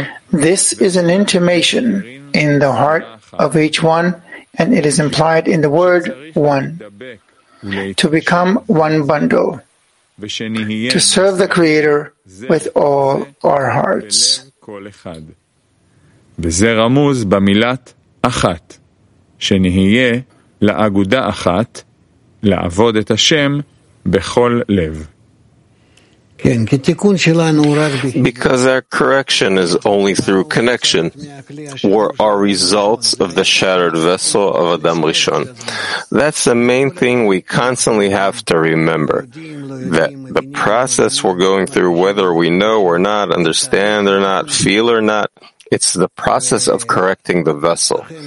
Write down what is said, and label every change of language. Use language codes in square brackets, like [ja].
[en] This is an intimation in the heart of each one, and it is implied in the word one, to become one bundle, to serve the Creator with all our hearts. [he] וזה רמוז במילת אחת, שנהיה לאגודה אחת, לעבוד את השם בכל לב. כן, כי תיקון שלנו רק ב... [en] Because our correction is only through connection, were our results of the shattered vessel of Adam Rishon. That's the main thing we constantly have to remember, that the process we're going through, whether we know or not, understand or not, feel or not, it's the process of correcting the vessel.